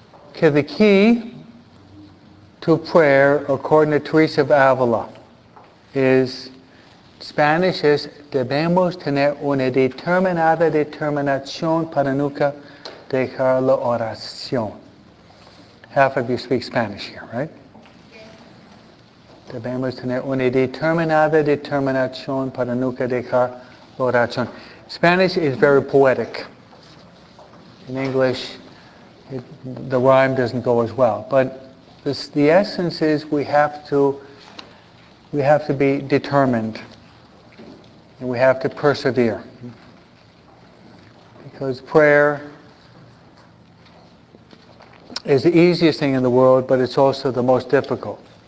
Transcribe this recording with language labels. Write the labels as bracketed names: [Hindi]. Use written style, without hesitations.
[English] Okay, the key to prayer, according to Teresa of Avila, is Spanish is [Spanish] debemos tener una determinada determinación para nunca dejar la oración. [English] Half of you speak Spanish here, right? [Spanish] Debemos tener una determinada determinación para nunca dejar la oración. [English] Spanish is very poetic. In English, the rhyme doesn't go as well, but the essence is we have to be determined, and we have to persevere, because prayer is the easiest thing in the world, but it's also the most difficult.